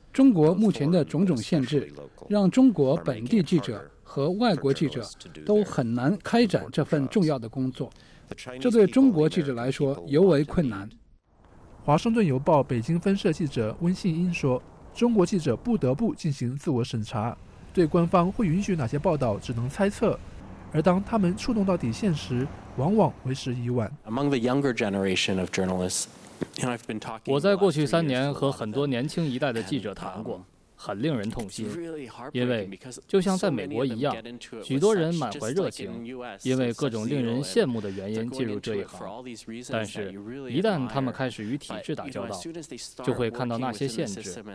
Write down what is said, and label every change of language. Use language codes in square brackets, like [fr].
[zh] 中国目前的种种限制，让中国本地记者和外国记者都很难开展这份重要的工作，这对中国记者来说尤为困难。华盛顿邮报北京分社记者温信英说，中国记者不得不进行自我审查，对官方会允许哪些报道只能猜测，而当他们触动到底线时，往往为时已晚。 [en] Among the younger generation of journalists, and I've been talking. [zh] 我在过去三年和很多年轻一代的记者谈过，很令人痛心，因为就像在美国一样，许多人满怀热情，因为各种令人羡慕的原因进入这一行，但是一旦他们开始与体制打交道，就会看到那些限制。